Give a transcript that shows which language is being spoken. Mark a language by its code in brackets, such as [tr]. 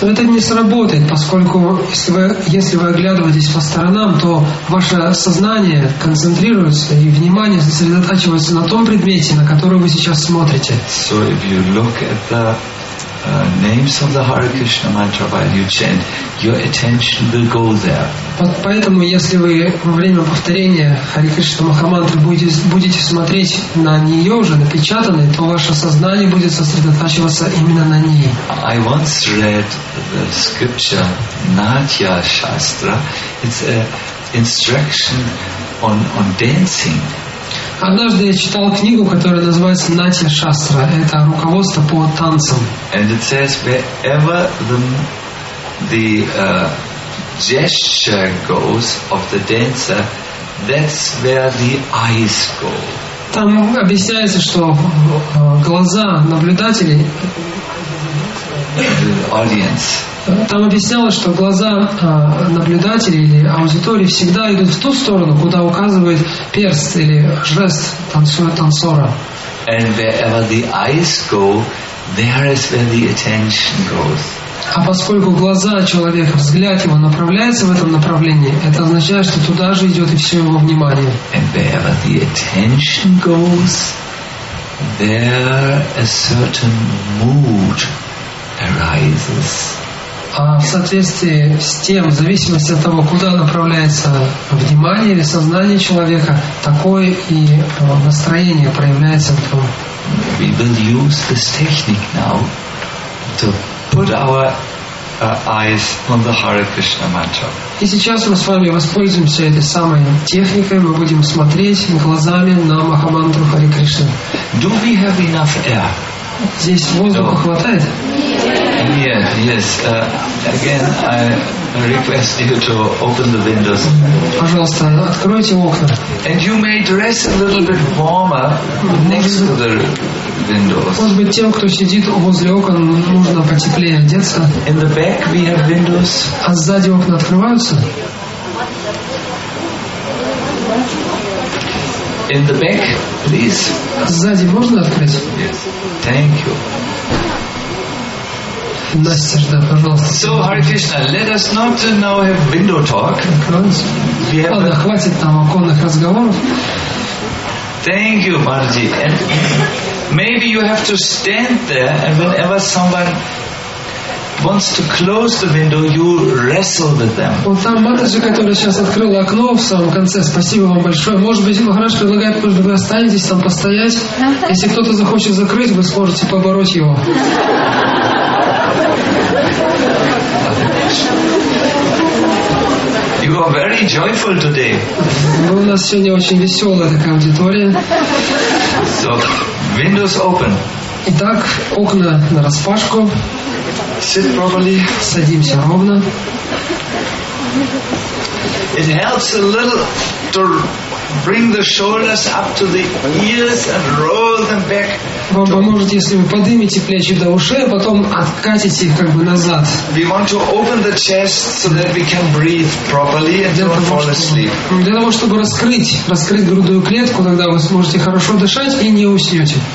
[ru] Но это не сработает, поскольку если вы оглядываетесь по сторонам, то ваше сознание концентрируется и внимание сосредотачивается на том предмете, на который вы сейчас смотрите. [en] So if you look at the names of the Hare Krishna mantra while you chant, your attention will go there. [ru] Поэтому, если вы во время повторения Хари Кришна Махамантры будете смотреть на нее уже напечатанной, то ваше сознание будет сосредотачиваться именно на ней. [en] I once read the scripture Natya Shastra. It's an instruction on dancing. [ru] Однажды я читал книгу, которая называется «Натья Шастра». Это руководство по танцам. [en] And it says, wherever the gesture goes of the dancer, that's where the eyes go. [ru] Там объясняется, что глаза наблюдателей, [en] the audience, [ru] Там объяснялось, что глаза наблюдателя или аудитории всегда идут в ту сторону, куда указывает перст или жест танцора. [en] And wherever the eyes go, there is where the attention goes. [ru] А поскольку глаза человека, взгляд его направляется в этом направлении, это означает, что туда же идет и все его внимание. [en] And wherever the attention goes, there a certain mood arises. [ru] А в соответствии с тем, в зависимости от того, куда направляется внимание или сознание человека, такое и настроение проявляется в том. [en] We will use this technique now to put our eyes on the Hare Krishna mantra. [ru] И сейчас мы с вами воспользуемся этой самой техникой, мы будем смотреть глазами на Махамантру Харе Кришна. [en] Do we have enough air? [ru] Здесь воздуха хватает? [en] Yes. Again, I request you to open the windows. [ru] Пожалуйста, откройте окна. [en] And you may dress a little bit warmer next to the windows. [ru] Может быть, тем, кто сидит возле окон, нужно потеплее одеться. [en] In the back we have windows. [ru] А сзади окна открываются? [en] In the back, please. [ru] Сзади можно открыть? [en] Yes. Thank you. [ru] Настя, пожалуйста. [en] So, Hare Krishna, let us not now have window talk. [ru] Ладно, хватит там оконных разговоров. [en] Thank you, Marji. And maybe you have to stand there, and whenever someone wants to close the window, you wrestle with them. [ru] Вот там Матаджи, которая сейчас открыла окно в самом конце. Спасибо вам большое. Может быть, Махарадж предлагает, может быть, вы останетесь там постоять. Если кто-то захочет закрыть, вы сможете побороть его. [en] You are very joyful today. [ru] У нас сегодня очень веселая такая аудитория. [en] So, windows open. [ru] Итак, окна на распашку. [en] Sit properly. [ru] Садимся ровно. [en] It helps a little to bring the shoulders up to the ears and roll them back. [ru] Вам поможет, если вы поднимете плечи до ушей, а потом откатите их как бы назад. [en] We want to open the chest so that we can breathe properly and don't fall asleep. [ru] Для того, чтобы раскрыть грудную клетку, тогда вы сможете хорошо дышать и не уснете.